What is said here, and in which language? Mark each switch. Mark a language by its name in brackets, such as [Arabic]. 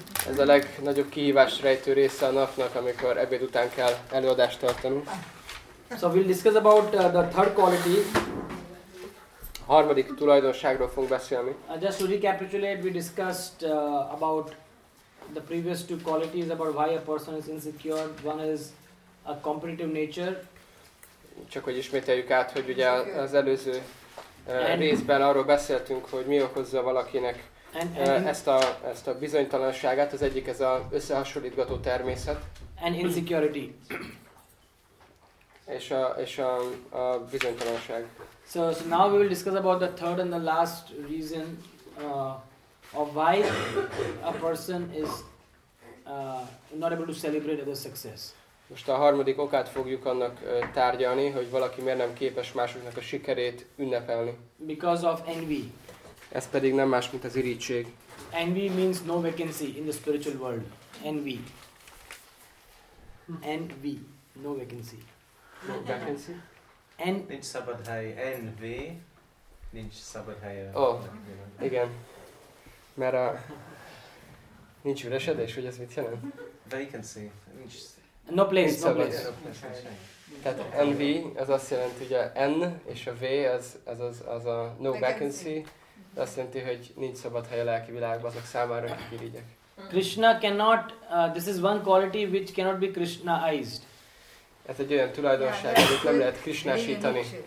[Hungarian] Ez a legnagyobb kihívásrejtő része a napnak, amikor ebéd után kell előadást tartanunk. [English] So we'll discuss about the third quality. [Hungarian] A harmadik tulajdonságról fogunk beszélni. [English] Just to recapitulate, we discussed about the previous two qualities, about why a person is insecure. One is a competitive nature. [Hungarian] Csak hogy ismételjük át, hogy ugye az előző részben arról beszéltünk, hogy mi okozza valakinek ezt a bizonytalanságát. Az egyik ez az összehasonlítgató természet. [English] And insecurity. [Hungarian] És a bizonytalanság. [English] So now we will discuss about the third and the last reason of why a person is not able to celebrate other success. [Hungarian] Most a harmadik okát fogjuk annak tárgyalni, hogy valaki miért nem képes másoknak a sikerét ünnepelni. [English] Because of envy. [Hungarian] Ez pedig nem más, mint az irítség. [English] Envy means no vacancy in the spiritual world. Envy. Envy. No vacancy. [Hungarian] Nincs szabad hely. Envy. Nincs szabad hely. Igen. Mert a... Nincs üresedés, hogy ez mit jelent? Vacancy. Nincs... [English] No place, no place. [Hungarian] Tehát NV, az azt jelenti, hogy a N és a V, az a [English] no vacancy, [Hungarian] az azt jelenti, hogy nincs szabad hely a lelki világban azok számára, akik irigyek. [English] Krishna cannot, this is one quality which cannot be Krishna-ized. [Hungarian] Ez egy olyan tulajdonság, amit nem lehet Krishna-sítani.